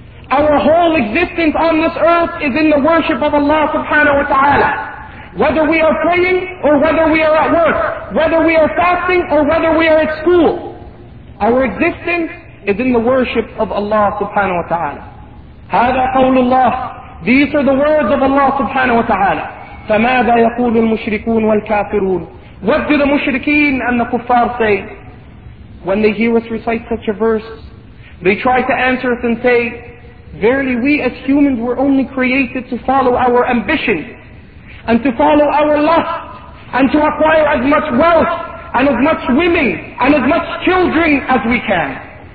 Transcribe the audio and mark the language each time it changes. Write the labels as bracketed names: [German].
[English] Our whole existence on this earth is in the worship of Allah subhanahu wa ta'ala. Whether we are praying or whether we are at work, whether we are fasting or whether we are at school, our existence is in the worship of Allah subhanahu wa ta'ala. [Arabic] هذا قول الله. [English] These are the words of Allah subhanahu wa ta'ala. [Arabic] فماذا يقول المشركون والكافرون? [English] What do the mushrikeen and the kuffar say? When they hear us recite such a verse, they try to answer us and say, verily we as humans were only created to follow our ambition, and to follow our lust, and to acquire as much wealth, and as much women, and as much children as we can.